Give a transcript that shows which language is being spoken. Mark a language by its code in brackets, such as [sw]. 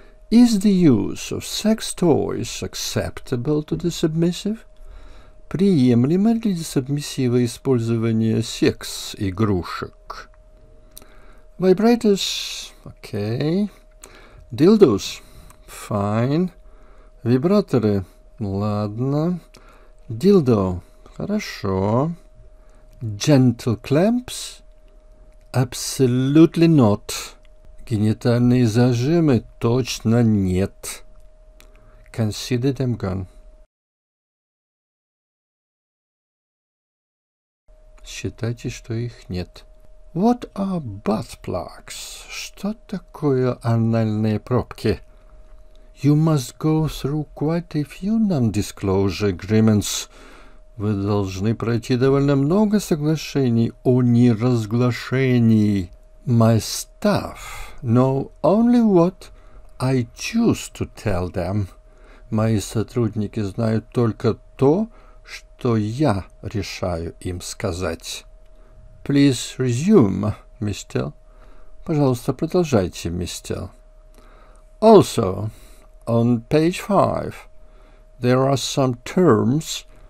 [en] Is the use of sex toys acceptable to the submissive? [ru] Приемлемо ли для сабмиссива использование секс-игрушек? [en] Vibrators? Окей. Dildos? Fine. Вибраторы? [ru] Ладно. Dildo? Хорошо. [en] Gentle clamps? Absolutely not. [ru] Генитальные зажимы? Точно нет. [en] Consider them gone. [ru] Считайте, что их нет. [en] What are butt plugs? [ru] Что такое анальные пробки? [en] You must go through quite a few non-disclosure agreements. [ru] Вы должны пройти довольно много соглашений о неразглашении. [en] My staff know only what I choose to tell them. [ru] Мои сотрудники знают только то, что я решаю им сказать. [en] Please resume, мистер. [ru] Пожалуйста, продолжайте, мистер. [en] Also, on page 5, there are some terms.